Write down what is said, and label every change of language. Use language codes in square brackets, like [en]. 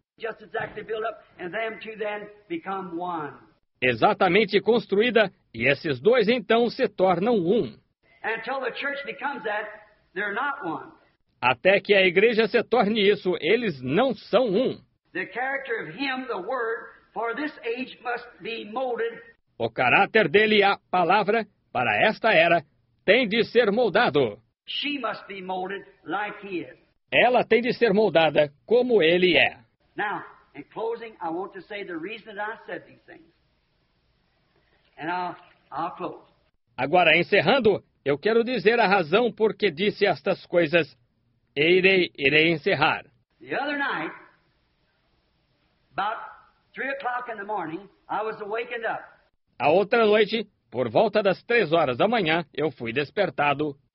[en] Just exactly built up, and them two then become one. [pt] Exatamente construída, e esses dois então se tornam um. [en] And until the church becomes that, they're not one. [pt] Até que a igreja se torne isso, eles não são um. [en] The character of him, the word, for this age must be molded. [pt] O caráter dele, a palavra, para esta era, tem de ser moldado. [en] She must be molded like he is. [pt] Ela tem de ser moldada como ele é. [en] Now, in closing, I want to say the reason that I said these things. And I'll close. [pt] Agora, encerrando, eu quero dizer a razão por que disse estas coisas. E irei encerrar. [en] The other night, about 3 o'clock in the morning, I was awakened up. [pt] A outra noite, por volta das 3 horas da manhã, eu fui despertado.